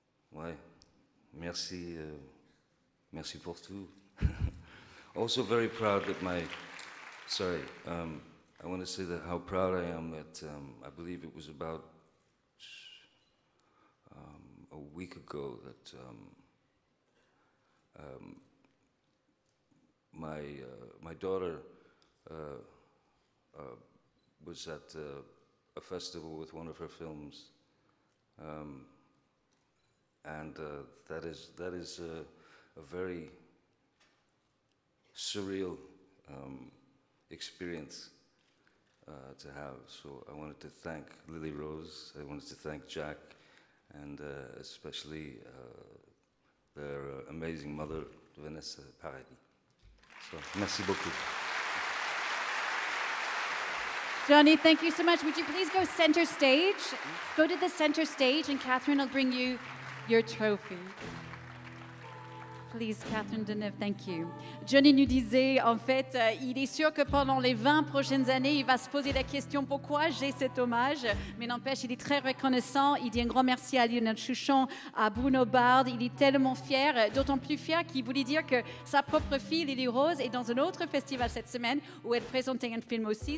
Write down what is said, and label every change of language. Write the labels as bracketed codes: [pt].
[fr] Ouais, merci, merci pour tout. [en] Also very proud that I want to say that how proud I am that I believe it was about a week ago that my daughter was at a festival with one of her films. And that is a very surreal experience to have. So I wanted to thank Lily Rose. I wanted to thank Jack, and especially their amazing mother, Vanessa Paradis. [fr] So, merci beaucoup. [en] Johnny, thank you so much. Would you please go center stage? Go to the center stage, and Catherine will bring you your trophy. Please, Catherine Deneuve, thank you. [fr] Johnny nous disait, en fait, il est sûr que pendant les 20 prochaines années, il va se poser la question pourquoi j'ai cet hommage. Mais n'empêche, il est très reconnaissant. Il dit un grand merci à Lionel Chuchon, à Bruno Bard. Il est tellement fier, d'autant plus fier qu'il voulait dire que sa propre fille, Lily Rose, est dans un autre festival cette semaine où elle présentait un film aussi.